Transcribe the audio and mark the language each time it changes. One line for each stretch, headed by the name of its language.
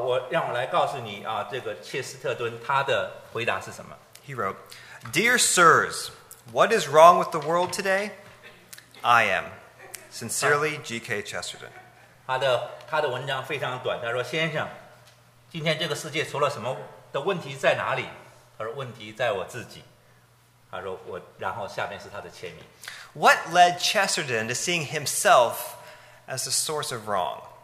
Chinese: 让我来告诉你，这个切斯特顿他的回答是什么？
English: He wrote, "Dear sirs, what is wrong with the world today? I am, sincerely, G.K. Chesterton."
Chinese: 他的文章非常短，他说：“先生，今天这个世界除了什么的问题在哪里？”他说：“问题在我自己。”他说：“然后下面是他的签名。”
English: What led Chesterton to seeing himself as the source of wrong?